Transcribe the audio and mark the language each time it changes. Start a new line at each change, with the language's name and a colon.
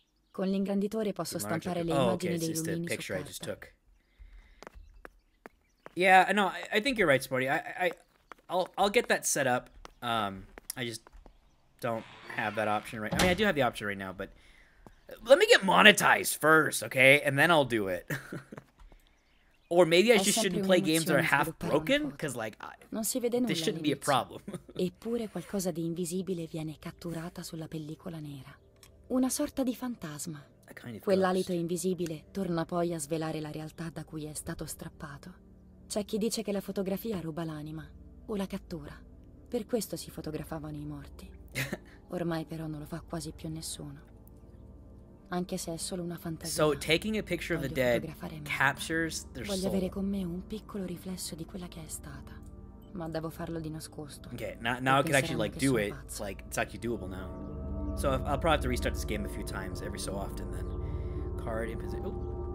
Italian: Con l'ingranditore posso stampare le immagini dei lumini su carta.
English: Oh, okay, this is the picture I just took. Yeah, no, I think you're right, Sporty. I'll get that set up. I just don't have that option right. I mean, I do have the option right now, but let me get monetized first, okay? And then I'll do it. Or maybe I just shouldn't play games that are half broken, because, like,
Italian: non si vede
English: this shouldn't be a problem.
Italian: Eppure qualcosa di invisibile viene catturata sulla pellicola nera. Una sorta di fantasma. Quell'alito invisibile torna poi a svelare la realtà da cui è stato strappato. C'è chi dice che la fotografia ruba l'anima, o la cattura. Per questo si fotografavano I morti. Ormai però non lo fa quasi più nessuno. Anche se è solo una fantasia.
English: So taking a picture of the dead captures their soul.
Italian: Voglio avere con me un piccolo riflesso di quella che è stata, ma devo farlo di nascosto.
English: Okay, now I can actually like do it. Pazzo. It's actually doable now. So I'll probably have to restart this game a few times every so often then. Card in position. Oh.